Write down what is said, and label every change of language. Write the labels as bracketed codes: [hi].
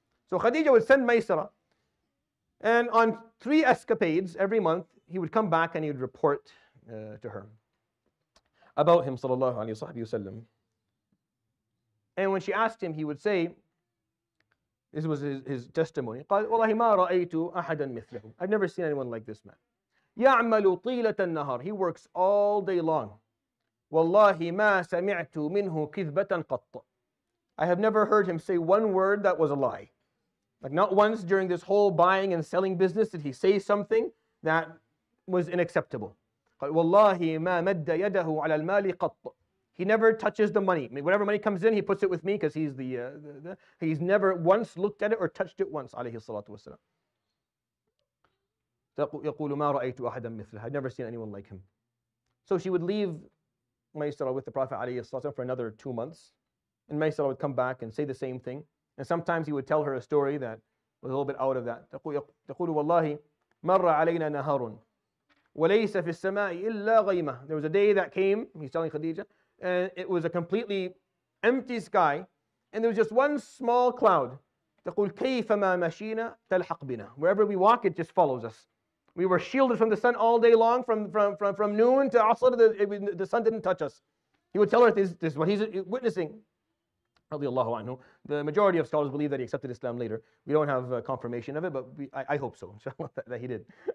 [en] So Khadija would send Maysara, and on 3 escapades every month, he would come back and he would report to her about him, sallallahu alayhi wa sallam. And when she asked him, he would say, this was his testimony, [ar] قال والله ما رأيت أحدا مثله. [en] I've never seen anyone like this man. [ar] يعمل طيلة النهار. [en] He works all day long. [ar] والله ما سمعت منه كذبة قط. [en] I have never heard him say one word that was a lie. Like not once during this whole buying and selling business did he say something that was inacceptable. [ar] قال والله ما مد يده على المال قط. [en] He never touches the money. I mean, whatever money comes in, he puts it with me, because he's he's never once looked at it or touched it once, alayhi salatu wasalam. [ar] يقول ما رأيت أحدا مثله. [en] I've never seen anyone like him. So she would leave Maysara with the Prophet alayhi salatu wasalam for another 2 months. And Maysara would come back and say the same thing. And sometimes he would tell her a story that was a little bit out of that. [ar] تقول والله مر علينا نهار وليس في السماء إلا غيمة. [en] There was a day that came, he's telling Khadija, and it was a completely empty sky, and there was just one small cloud. [ar] تقول كيف ما مشينا تلحق بنا. [en] Wherever we walk, it just follows us. We were shielded from the sun all day long, from noon to Asr, the sun didn't touch us. He would tell her this is what he's witnessing. Radiallahu anhu. The majority of scholars believe that he accepted Islam later. We don't have confirmation of it, but I hope so, that he did.